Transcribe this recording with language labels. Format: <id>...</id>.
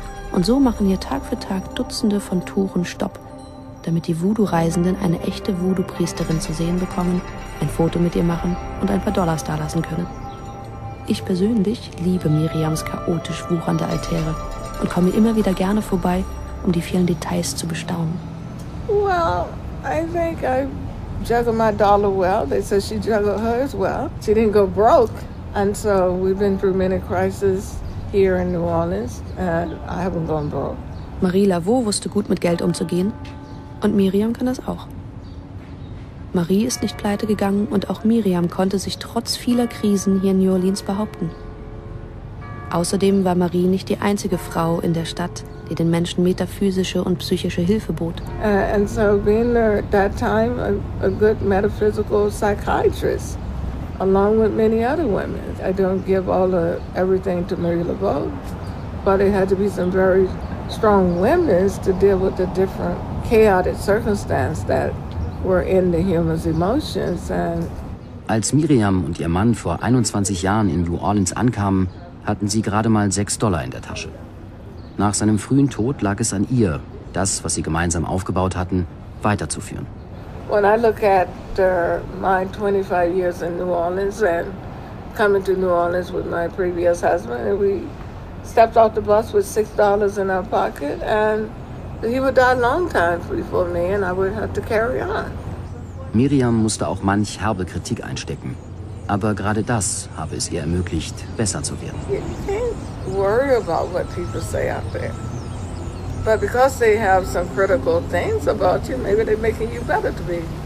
<de>Und so machen ihr Tag für Tag Dutzende von Touren Stopp, damit die Voodoo-Reisenden eine echte Voodoo-Priesterin zu sehen bekommen, ein Foto mit ihr machen und ein paar Dollars dalassen können. Ich persönlich liebe Miriams chaotisch wuchernde Altäre und komme immer wieder gerne vorbei, um die vielen Details zu bestaunen.</de> <en>Well, I think I juggle my dollar well. They say she juggled hers well. She didn't go broke. And so we've been through many crises here in New Orleans, and I haven't gone broke.</en> <de>Marie Laveau wusste gut mit Geld umzugehen, und Miriam kann das auch. Marie ist nicht pleite gegangen, und auch Miriam konnte sich trotz vieler Krisen hier in New Orleans behaupten. Außerdem war Marie nicht die einzige Frau in der Stadt, die den Menschen metaphysische und psychische Hilfe bot.</de> <en>And so being there at that time, a good metaphysical psychiatrist. Along with many other women. I don't give all of everything to Marie Laveau, but it had to be some very strong women to deal with the different chaotic circumstances that were in the human's emotions. And</en> <de>als Miriam und ihr Mann vor 21 Jahren in New Orleans ankamen, hatten sie gerade mal $6 in der Tasche. Nach seinem frühen Tod lag es an ihr, das, was sie gemeinsam aufgebaut hatten, weiterzuführen.</de> <en>When I look at my 25 years in New Orleans and coming to New Orleans with my previous husband, and we stepped off the bus with $6 in our pocket, and he would die a long time before me, and I would have to carry on.</en> <de>Miriam musste auch manch herbe Kritik einstecken, aber gerade das habe es ihr ermöglicht, besser zu werden.</de> <en>You can't worry about what people say out there. But because they have some critical things about you, maybe they're making you better to be.</en>